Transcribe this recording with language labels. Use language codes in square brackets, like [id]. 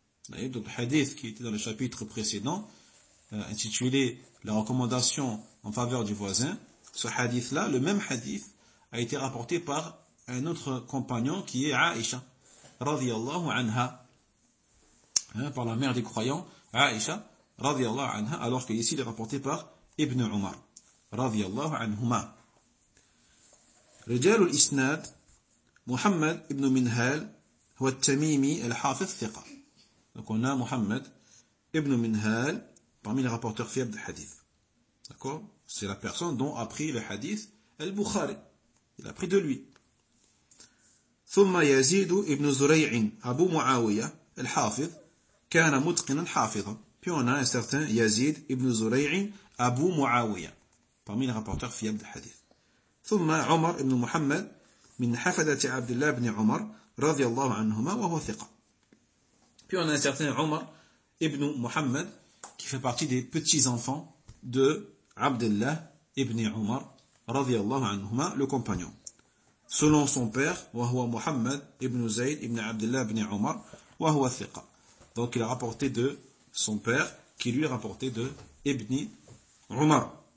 [fr] D'ailleurs, donc le hadith qui était dans le chapitre précédent, intitulé « La recommandation en faveur du voisin », ce hadith-là, le même hadith, a été rapporté par un autre compagnon qui est Aïcha, radiyallahu anha, par la mère des croyants, Aïcha, radiyallahu anha, alors qu'ici il est rapporté par Ibn Umar, radiyallahu anhuma. [ar] رجال الإسناد محمد ابن منهل هو التميمي الحافظ ثقة. [fr] لكننا محمد ابن منهل parmi les rapporteurs fiables de hadith. D'accord? C'est la personne dont a pris le hadith al-Bukhari. Il a pris de lui. [ar] ثم يزيد ابن زريع أبو معاوية الحافظ كان متقنا حافظا. [fr] Puis on a un certain يزيد ابن زريع أبو معاوية parmi les rapporteurs fiables de hadith. [ar] ثم عمر بن محمد من حفدة عبد الله بن عمر رضي الله عنهما وهو ثقة. [fr] Puis on a un certain عمر ابن محمد qui fait partie des petits enfants de عبد الله ابن عمر رضي الله عنهما le compagnon. Selon son père [ar] وهو محمد ابن زيد ابن عبد الله بن عمر وهو ثقة. [fr] Donc il a rapporté de son père qui lui a rapporté de ابن عمر.